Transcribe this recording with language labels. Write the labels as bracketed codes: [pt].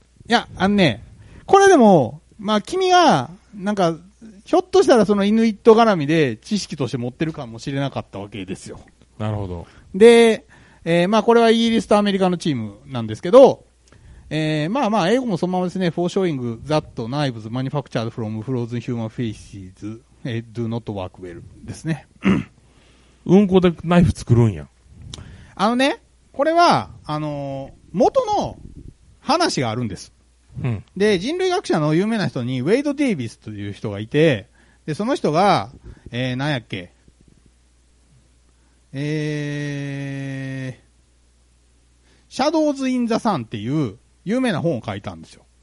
[ja] いや、あのね、これでも、まあ君が、なんか、ひょっとしたらそのイヌイット絡みで知識として持ってるかもしれなかったわけですよ。なるほど。で、まあこれはイギリスとアメリカのチームなんですけど、まあまあ英語もそのままですね。 [en] For showing that knives manufactured from frozen human faces do not work well [ja] ですね。うんこでナイフ作るんや。あのね、これは元の話があるんです、うん。で、人類学者の有名な人にウェイド・デイビスという人がいて、でその人が、何やっけ、シャドウズ・イン・ザ・サンっていう有名な本を書いたんですよ、